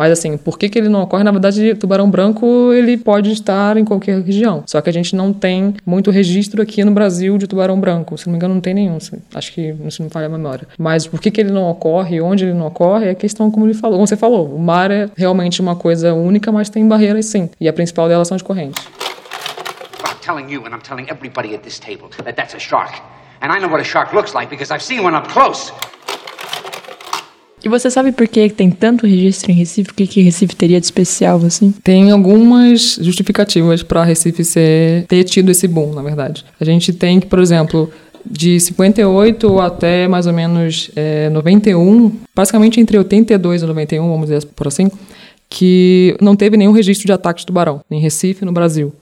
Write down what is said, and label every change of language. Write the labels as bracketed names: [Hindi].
[Portuguese] Mas, assim, por que que ele não ocorre? Na verdade, tubarão branco, ele pode estar em qualquer região. Só que a gente não tem muito registro aqui no Brasil de tubarão branco. Se não me engano, não tem nenhum. Acho que isso não falha a memória. Mas por que que ele não ocorre? Onde ele não ocorre? É questão, como ele falou, como você falou, o mar é realmente uma coisa única, mas tem barreiras, sim. E a principal delas são as correntes. [English] I'm telling you and I'm telling everybody at this table that that's a shark. And I know what a shark looks like because I've seen one up close. [Portuguese] E você sabe por que tem tanto registro em Recife? O que que Recife teria de especial, assim? Tem algumas justificativas para Recife ter tido esse boom, na verdade. A gente tem que, por exemplo, de 58 até mais ou menos 91, basicamente entre 82 e 91, vamos dizer por assim, que não teve nenhum registro de ataque de tubarão em Recife, no Brasil.